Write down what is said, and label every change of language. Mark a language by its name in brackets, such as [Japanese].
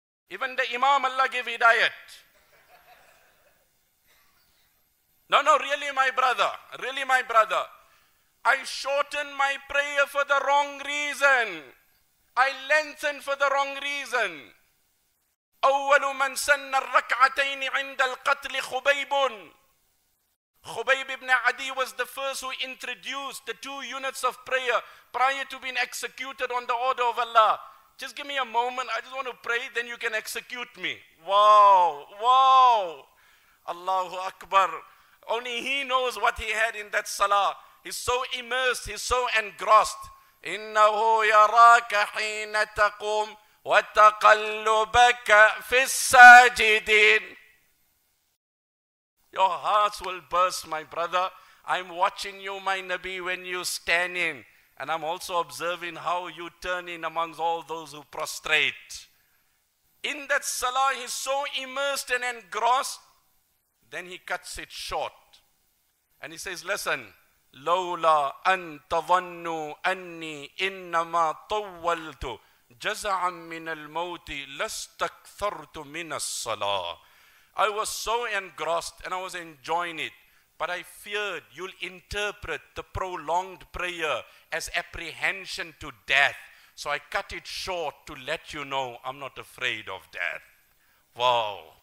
[English] Even the imam, Allah give hidayat. No, really my brother. Really my brother. I shorten my prayer for the wrong reason. I lengthen for the wrong reason. [Arabic] أول من سن الركعتين عند القتل خبيب. [English] Khubayb ibn Adi was the first who introduced the two units of prayer prior to being executed on the order of Allah. Just give me a moment, I just want to pray, then you can execute me. Wow, wow. Allahu Akbar. Only he knows what he had in that salah. He's so immersed, he's so engrossed. [Arabic] إِنَّهُ يَرَاكَ حِينَ تَقُومْ وَتَقَلُّبَكَ فِي السَّاجِدِينَ. [English] Your hearts will burst, my brother. I'm watching you, my Nabi, when you stand in. And I'm also observing how you turn in amongst all those who prostrate. In that salah, he's so immersed and engrossed, then he cuts it short. And he says, listen, [Arabic] لَوْلَا أَن تَظَنُّوا أَنِّي إِنَّمَا طَوَّلْتُ جَزَعًا مِّنَ الْمَوْتِ لَسْتَكْثَرْتُ مِّنَ الصَّلَاةِ. [English] I was so engrossed and I was enjoying it, but I feared you'll interpret the prolonged prayer as apprehension to death. So I cut it short to let you know I'm not afraid of death. Wow.